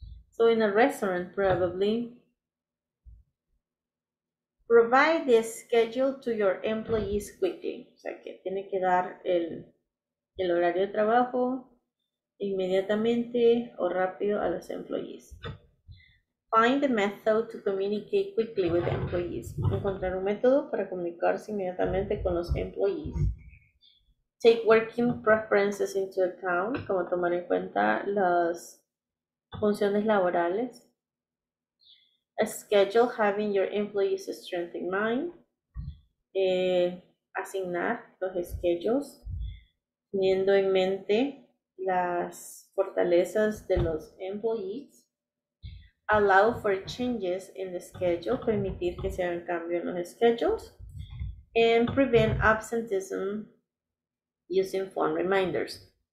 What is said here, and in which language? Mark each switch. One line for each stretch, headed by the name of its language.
English: So in a restaurant, probably. Provide the schedule to your employees quickly.
Spanish: O sea, que tiene que dar el horario de trabajo inmediatamente o rápido a los employees.
English: Find a method to communicate quickly with employees.
Spanish: Encontrar un método para comunicarse inmediatamente con los employees.
English: Take working preferences into account,
Spanish: como tomar en cuenta las funciones laborales.
English: A schedule having your employees' strength in mind.
Spanish: Asignar los schedules, teniendo en mente las fortalezas de los employees.
English: Allow for changes in the schedule,
Spanish: permitir que se hagan cambios en los schedules,
English: and prevent absenteeism using phone reminders.